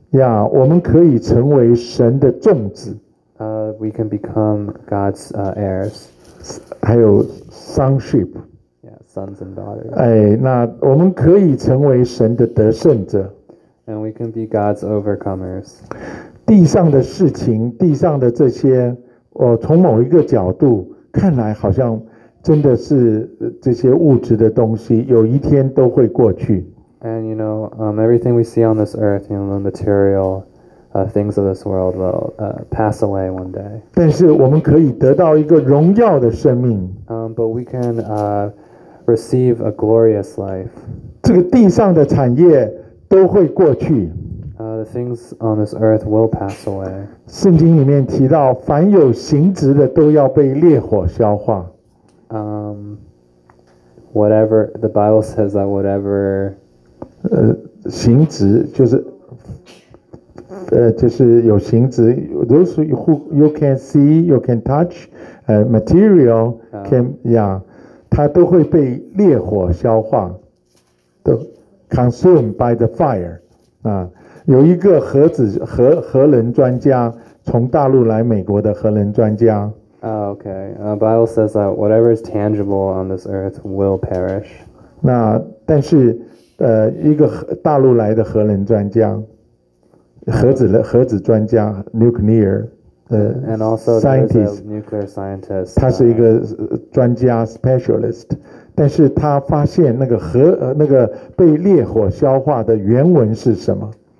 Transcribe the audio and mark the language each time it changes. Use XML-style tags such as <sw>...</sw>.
<zh>Yeah, 我们可以成为神的众子。</zh> <en>We can become God's heirs.</en> <zh>还有 sonship.</zh> <en>Yeah, sons and daughters.</en> <zh>哎，那我们可以成为神的得胜者。</zh> <en>And we can be God's overcomers.</en> <zh>地上的事情，地上的这些，从某一个角度看来，好像真的是这些物质的东西，有一天都会过去。</zh> <en>And you know, everything we see on this earth, the material, things of this world will, pass away one day.</en> <zh>但是我们可以得到一个荣耀的生命。</zh> <en>But we can, receive a glorious life.</en> <zh>这个地上的产业都会过去。</zh> <en>The things on this earth will pass away.</en> <zh>圣经里面提到，凡有形质的都要被烈火消化。</zh> <en>Whatever the Bible says that whatever,</en> <zh>形质就是有形质。</zh> <en>Those who you can see, you can touch, material can, yeah,</en> <zh>它都会被烈火消化。</zh> <en>Consumed by the fire.</en> <zh>有一个核能专家，从大陆来美国的核能专家。</zh> <en>Okay. Bible says that whatever is tangible on this earth will perish.</en> <zh>那但是，一个大陆来的核能专家，核子专家 ，nuclear,</zh> <en>and also scientist, nuclear scientist.</en> <zh>他是一个专家 specialist. 但是他发现那个核那个被烈火消化的原文是什么？</zh>